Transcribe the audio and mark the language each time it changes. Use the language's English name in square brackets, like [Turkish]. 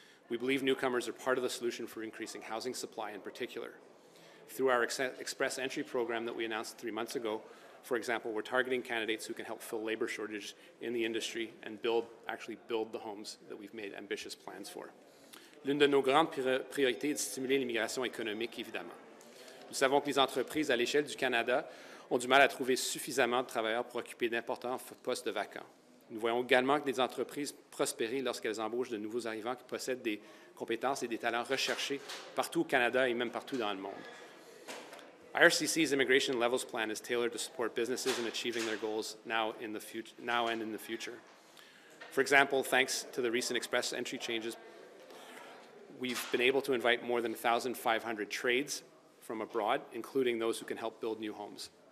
[English] We believe newcomers are part of the solution for increasing housing supply in particular. Through our express entry program that we announced 3 months ago, for example, we're targeting candidates who can help fill labour shortages in the industry and build the homes that we've made ambitious plans for. [French] L'une de nos grandes priorités est de stimuler l'immigration économique, évidemment. Nous savons que les entreprises à l'échelle du Canada ont du mal à trouver suffisamment de travailleurs pour occuper d'importants postes de vacants. Nous voyons également que des entreprises prospèrent lorsqu'elles embauchent de nouveaux arrivants qui possèdent des compétences et des talents recherchés partout au Canada et même partout dans le monde. [English] IRCC's Immigration Levels Plan is tailored to support businesses in achieving their goals now and in the future. For example, thanks to the recent express entry changes, we've been able to invite more than 1,500 trades from abroad, including those who can help build new homes.